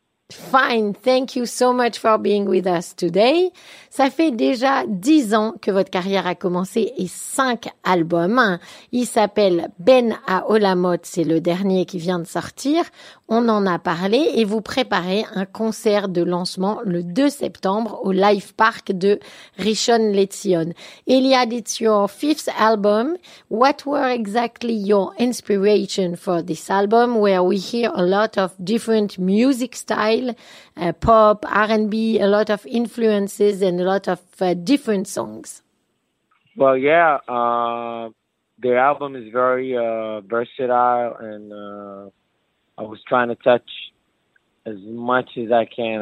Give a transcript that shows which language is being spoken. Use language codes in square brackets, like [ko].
[en] Fine, thank you so much for being with us today. [fr] Ça fait déjà 10 ans que votre carrière a commencé et 5 albums. Il s'appelle Ben Haolamot, c'est le dernier qui vient de sortir. On en a parlé et vous préparez un concert de lancement le 2 septembre au Life Park de Rishon LeZion. [en] Eliad, it's your 5th album. What were exactly your inspiration for this album, where we hear a lot of different music styles? Pop, R&B, a lot of influences and a lot of different songs. Well, yeah, the album is very versatile, and I was trying to touch as much as I can.